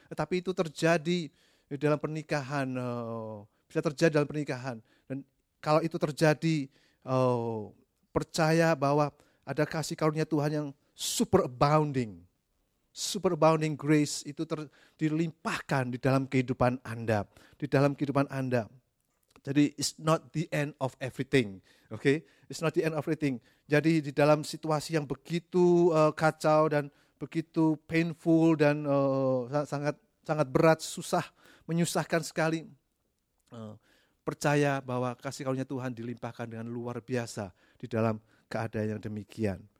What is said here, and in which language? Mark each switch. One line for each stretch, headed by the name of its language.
Indonesian: Tetapi itu terjadi di dalam pernikahan, bisa terjadi dalam pernikahan. Dan kalau itu terjadi, percaya bahwa ada kasih karunia Tuhan yang
English: super abounding grace
Indonesian: itu dilimpahkan di dalam kehidupan Anda, di dalam kehidupan Anda. Jadi
English: it's not the end of everything, okay? It's not the end of everything.
Indonesian: Jadi di dalam situasi yang begitu kacau dan begitu painful dan sangat sangat berat, susah, menyusahkan sekali, percaya bahwa kasih karunia Tuhan dilimpahkan dengan luar biasa di dalam keadaan yang demikian.